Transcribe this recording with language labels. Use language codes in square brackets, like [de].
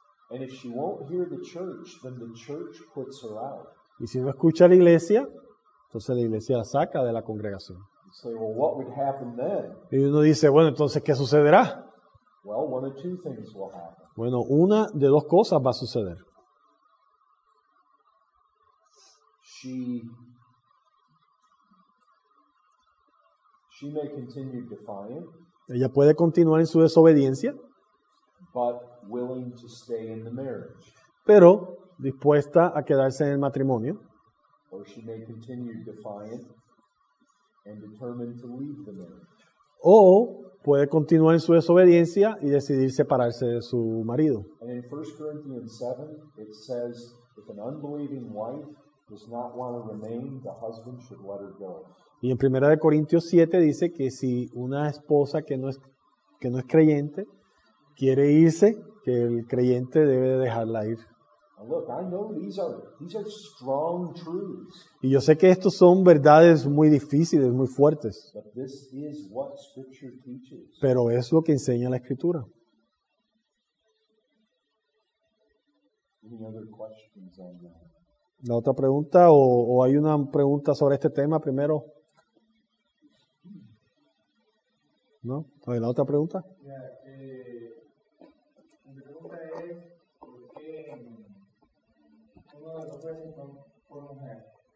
[en] And if she won't hear the church, then the church puts her out. [es] Y si no escucha a la iglesia, entonces la iglesia la saca de la congregación. [en] Say, well, what would happen then? [es] Y uno dice, bueno, entonces, ¿qué sucederá? [en] Well, one of two things will happen. [es] Bueno, una de dos cosas va a suceder. [en] She may continue defiant. [es] Ella puede continuar en su desobediencia. [en] But willing to stay in the marriage. [es] Pero dispuesta a quedarse en el matrimonio. [en] Or she may continue defiant and determined to leave the marriage. [es] O puede continuar en su desobediencia y decidir separarse de su marido. [en] And in 1 Corinthians 7, it says, if an unbelieving wife does not want to remain, the husband should let her go. [es] Y en 1 Corintios 7 dice que si una esposa que no es creyente quiere irse, que el creyente debe dejarla ir. [en] Look, I know these are strong truths. [es] Y yo sé que estos son verdades muy difíciles, muy fuertes. [en] But this is what Scripture teaches. [es] Pero es lo que enseña la Escritura. [en] Any other questions on that? [es] ¿La otra pregunta o hay una pregunta sobre este tema primero? ¿No? ¿Hay la otra pregunta? Mi pregunta es, ¿por qué uno de los jueces por mujer?